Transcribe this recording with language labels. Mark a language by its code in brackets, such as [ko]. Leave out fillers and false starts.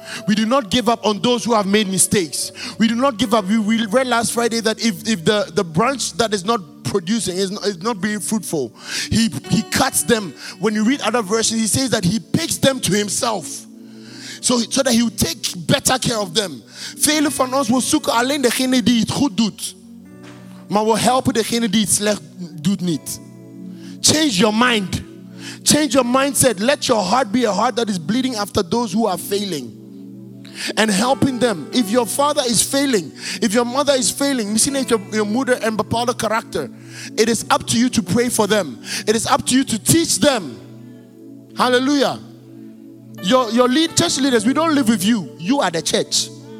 [en] We do not give up on those who have made mistakes. We do not give up. We read last Friday that if the branch that is not producing is not being fruitful, he cuts them. When you read other verses, he says that he picks them to himself so that he will take better care of them. [nl] Vele van ons wil zoeken alleen degene die het goed doet, maar wil helpen degene die het slecht doet niet. [en] Change your mind. Change your mindset. Let your heart be a heart that is bleeding after those who are failing and helping them. If your father is failing, if your mother is failing, missing out your mother and papa character, it is up to you to pray for them. It is up to you to teach them. Hallelujah. Your church leaders, we don't live with you. You are the church.